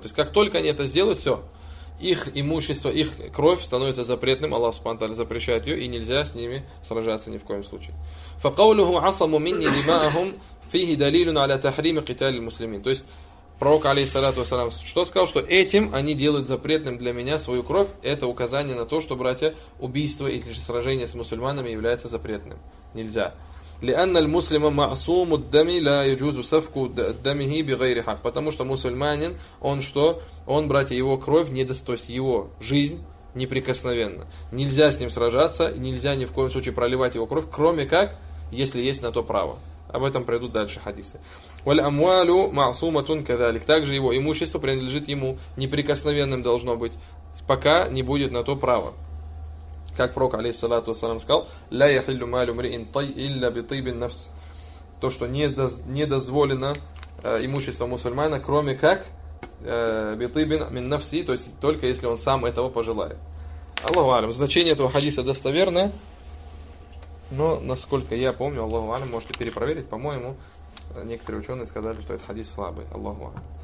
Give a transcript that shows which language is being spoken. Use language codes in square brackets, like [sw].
[ru] То есть как только они это сделают, все, их имущество, их кровь становится запретным, Аллах Субхану Тааля запрещает ее, и нельзя с ними сражаться ни в коем случае. [ar] فَقَوْلُهُ عَصَمُ مِنِّي دِمَاهُمْ فِيهِ دَلِيلٌ عَلَى تَحْرِيمِ قِتَالِ الْمُسْلِمِينَ. [ru] То есть пророк, алейхиссалату вассалям, что сказал, что этим они делают запретным для меня свою кровь, это указание на то, что, братья, убийство или же сражение с мусульманами является запретным. Нельзя. [ar] لأن المسلم معصوم الدم لا يجوز سفك دمه بغير حق. [ru] Потому что мусульманин, он что? Он, братья, его кровь недостойна, его жизнь неприкосновенна. Нельзя с ним сражаться, нельзя ни в коем случае проливать его кровь, кроме как, если есть на то право. Об этом пройдут дальше хадисы. [ar] وَالْأَمْوَالُ مَعْصُومَةٌ كَذَلِكَ. [ru] Также его имущество принадлежит ему, неприкосновенным должно быть, пока не будет на то права. Как пророк, алейхиссалату вассалам, сказал: [ar] لَا يَحِلُّ مَالُ مْرِئٍ إِلَّا بِطِيبِ النَّفْسِ. [ru] То, что не дозволено имущество мусульмана, кроме как [ar] بِطِيبٍ مِنْ نَفْسِ, [ru] то есть только если он сам этого пожелает. Аллаху алям. Значение этого хадиса достоверное, но, насколько я помню, Аллаху алям, можете перепроверить, по-моему, некоторые ученые сказали, что этот хадис слабый, Аллаху алям.